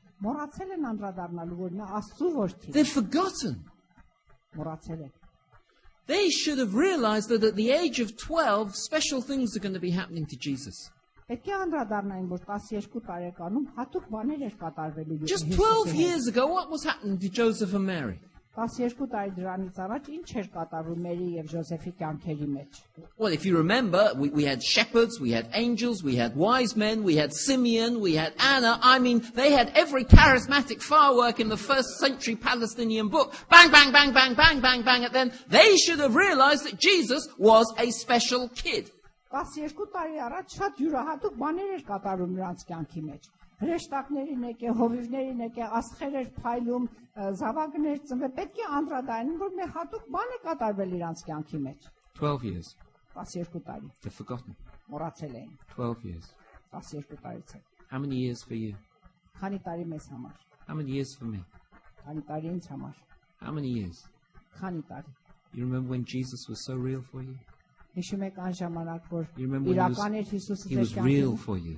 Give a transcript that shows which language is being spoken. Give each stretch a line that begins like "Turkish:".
Armenian: Մոռացել են անդրադառնալու որ նա Աստծու որդի։
English: They've forgotten.
Armenian: Մոռացել են։
English: They should have realized that at the age of 12 special things are going to be happening to Jesus.
Armenian: Պետք է անդրադառնային որ 12 տարեկանում հատուկ բաներ էր կատարվելու Հիսուսին։
English: Just 12 years ago what was happening to Joseph and Mary?
Armenian: 12 տարի դրանից առաջ ինչ էր կատարվում Մերի եւ Յոսեֆի կյանքերի մեջ։
English: Well, if you remember, we had shepherds, we had angels, we had wise men, we had Simeon, we had Anna. I mean, they had every charismatic firework in the first century Palestinian book. Bang bang bang bang bang bang bang at them. They should have realized that Jesus was a special kid.
Armenian: 12 տարի առաջ շատ յուրահատուկ բաներ էր կատարվում նրանց կյանքի մեջ։ Հրեշտակներին եկե, հովիվներին եկե, աստղեր էր փայլում, զավակներ ծնվե, պետք է անդրադայնեն, որ մեր հատուկ բան է կատարվել իրանց կյանքի մեջ.
English: 12 years.
Armenian: 12 տարի.
English: They've forgotten.
Armenian: Մոռացել էին.
English: 12 years.
Armenian: 12 տարից է.
English: How many years for you?
Armenian: Քանի տարի մեզ համար?
English: How many years for me?
Armenian: Քանի տարի ինձ համար?
English: How many years?
Armenian: Քանի տարի?
English: You remember when Jesus was so real for you?
Armenian: Հիշում եք այն ժամանակ, որ իրական էր Հիսուսը ձեր կյանքում։
English: He was real for you.